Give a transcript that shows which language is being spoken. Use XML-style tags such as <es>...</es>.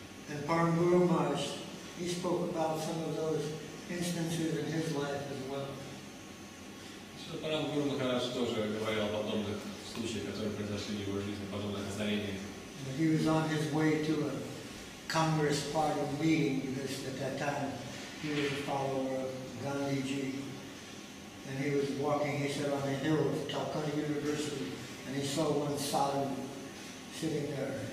<en>And Paramguru Maharaj, he spoke about some of those instances in his life as well.</en> <ru>Что Парамгуру Махарадж тоже говорил о подобных случаях, которые произошли в его жизни, подобных озарениях.</ru> <en>He was on his way to a Congress party meeting because at that time he was a follower of Gandhiji. And he was walking, he said, on the hill of Calcutta University, and he saw one sadhu sitting there.</en>